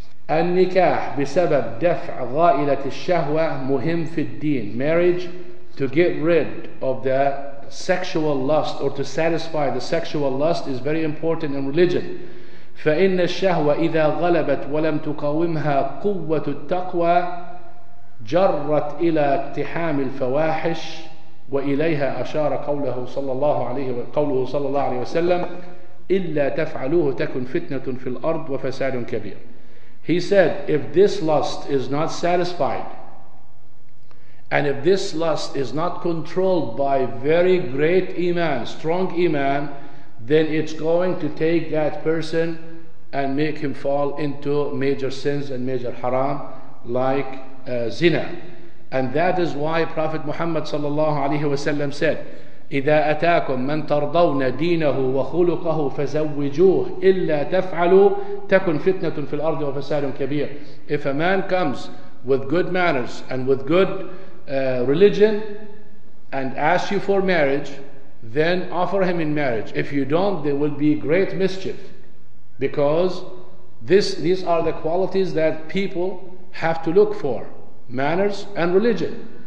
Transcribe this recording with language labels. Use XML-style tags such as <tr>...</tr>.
<ar>النكاح بسبب دفع غائلة الشهوة مهم في الدين.</ar> <en>Marriage, to get rid of the sexual lust or to satisfy the sexual lust, is very important in religion.</en> <ar>فإن الشهوة إذا غلبت ولم تقاومها قوة التقوى جرت إلى اقتحام الفواحش وإليها أشار قوله صلى الله عليه وسلم إلا تفعلوه تكن فتنة في الأرض وفساد كبير.</ar> <en>He said, if this lust is not satisfied, and if this lust is not controlled by very great iman, strong iman, then it's going to take that person and make him fall into major sins and major haram, like zina. And that is why Prophet Muhammad sallallahu alaihi wasallam said,</en> <ar>إِذَا أَتَاكُمْ مَنْ تَرْضَوْنَ دِينَهُ وَخُلُقَهُ فَزَوِّجُوهُ إِلَّا تَفْعَلُوا تَكُنْ فِتْنَةٌ فِي الْأَرْضِ وَفَسَادٌ كَبِيرٌ.</ar> <en>If a man comes with good manners and with good religion and asks you for marriage, then offer him in marriage. If you don't, there will be great mischief, because these are the qualities that people have to look for: manners and religion.</en>